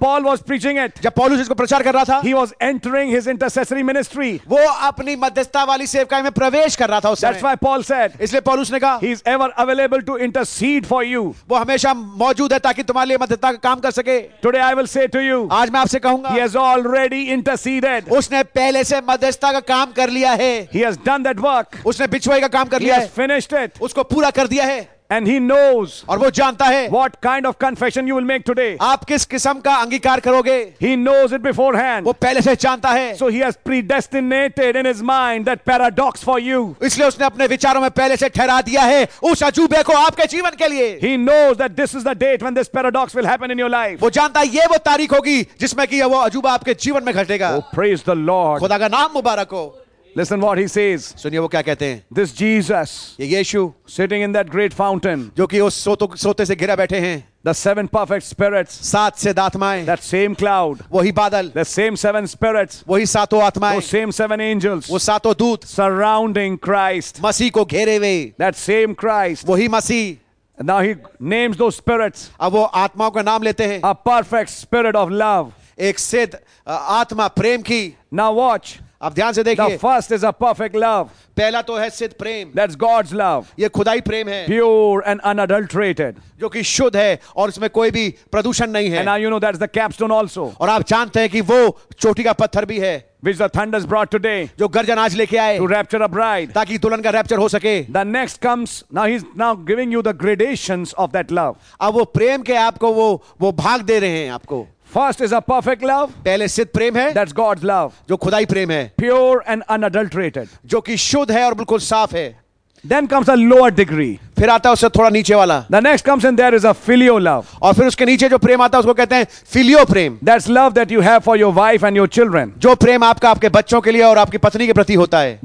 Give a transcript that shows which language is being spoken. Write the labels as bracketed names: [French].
[English] when Paul was preaching it, [Hindi] जब पौलुस इसको प्रचार कर रहा था, [English] he was entering his intercessory ministry, [Hindi] वो अपनी मध्यस्थता वाली सेवकाई में प्रवेश कर रहा था, [English] that's why Paul said, [Hindi] इसलिए पौलुस ने कहा, [English] he is ever available to intercede for you, [Hindi] वो हमेशा मौजूद है ताकि तुम्हारे लिए मध्यस्थता का काम कर सके. [English] today I will say to you, [Hindi] आज मैं आपसे कहूंगा, [English] he has already interceded. [Hindi] उसने पहले से मध्यस्थता का काम कर लिया है. [English] He has done that work. [Hindi] उसने बिछवाई का काम कर लिया है. [English] He has finished it. [Hindi] उसको पूरा कर दिया है. [English] And he knows, [Hindi] और वो जानता है, [English] what kind of confession you will make today. [Hindi] आप किस किस्म का अंगीकार करोगे? [English] He knows it beforehand. [Hindi] वो पहले से जानता है. [English] So he has predestinated in his mind that paradox for you. [Hindi] इसलिए उसने अपने विचारों में पहले से ठहरा दिया है उस अजूबे को आपके जीवन के लिए. [English] He knows that this is the date when this paradox will happen in your life. [Hindi] वो जानता है ये वो तारीख होगी जिसमें कि वो अजूबा आपके जीवन में घटेगा. [English] Oh, praise the Lord. [Hindi] खुदा का नाम मुबारक हो. [English] Listen what he says. [Hindi] सुनिए वो क्या कहते हैं. [English] This Jesus, [Hindi] ये यीशु, [English] sitting in that great fountain, [Hindi] जो कि उस सोते से घिरा बैठे हैं. [English] The seven perfect spirits, [Hindi] सात से आत्माएं. [English] That same cloud, [Hindi] वही बादल. [English] The same seven spirits, [Hindi] वही सातों आत्माएं. [English] Those same seven angels, [Hindi] वो सातों दूत. [English] Surrounding Christ, [Hindi] मसीह को घेरे हुए. [English] That same Christ, [Hindi] वही मसीह. [English] Now he names those spirits, [Hindi] अब वो आत्माओं का नाम लेते हैं. [English] A perfect spirit of love, [Hindi] एक सिद्ध आत्मा प्रेम की. [English] Now watch. [Hindi] अब ध्यान से देखिए. [English] The first is a perfect love. [Hindi] पहला तो है सिद्ध प्रेम. [English] That's God's love. [Hindi] ये खुदाई प्रेम है. [English] Pure and unadulterated. [Hindi] जो कि शुद्ध है और उसमें कोई भी प्रदूषण नहीं है. [English] And now you know that's the capstone also. [Hindi] और आप जानते हैं कि वो चोटी का पत्थर भी है. [English] Which the thunders brought today. [Hindi] जो गर्जन आज लेके आए. [English] To rapture a bride. [Hindi] ताकि दुल्हन का रैप्चर हो सके. [English] The next comes. Now he's now giving you the gradations of that love. [Hindi] अब वो प्रेम के आपको वो भाग दे रहे हैं आपको. [English] First is a perfect love. [Hindi] पहले सिद्ध प्रेम है. [English] That's God's love. [Hindi] जो खुदाई प्रेम है. [English] Pure and unadulterated. [Hindi] जो कि शुद्ध है और बिल्कुल साफ है. [English] Then comes a lower degree. [Hindi] फिर आता है उससे थोड़ा नीचे वाला. [English] The next comes and there is a filial love. [Hindi] और फिर उसके नीचे जो प्रेम आता है उसको कहते हैं फिलियो प्रेम. [English] That's love that you have for your wife and your children. [Hindi] जो प्रेम आपका आपके बच्चों के लिए और आपकी पत्नी के प्रति होता है.